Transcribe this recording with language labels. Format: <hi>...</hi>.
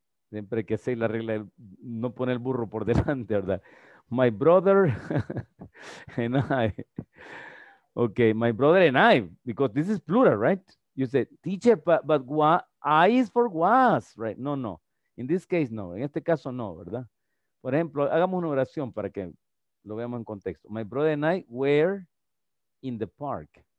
<es>Siempre que sé la regla, no pone el burro por delante, ¿verdad?</es> <en>My brother and I. Okay, my brother and I, because this is plural, right? You say, teacher, but I is for was, right? No, no. In this case, no.</en> <es>En este caso, no, ¿verdad? Por ejemplo, hagamos una oración para que lo veamos en contexto.</es> <en>My brother and I were in the park.</en>